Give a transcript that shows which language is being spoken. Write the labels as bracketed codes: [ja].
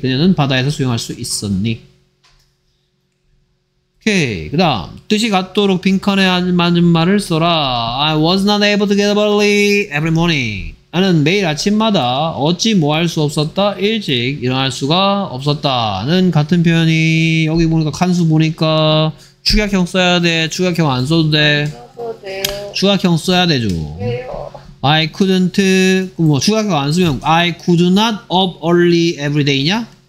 [ko] 그녀는 바다에서 수영할 수 있었니? 오케이. 그 다음 뜻이 같도록 빈칸에 맞는 말을 써라. [en] I was not able to get up early every morning. [ko] 나는 매일 아침마다 어찌 뭐할 수 없었다 일찍 일어날 수가 없었다는 같은 표현이 여기 보니까 칸수 보니까 축약형 써야 돼? 축약형 안 써도 돼? 축약형 써야 되죠. 왜요? [en] I couldn't, [ko] 뭐 축약형 안 쓰면 [en] I could not up early every day냐?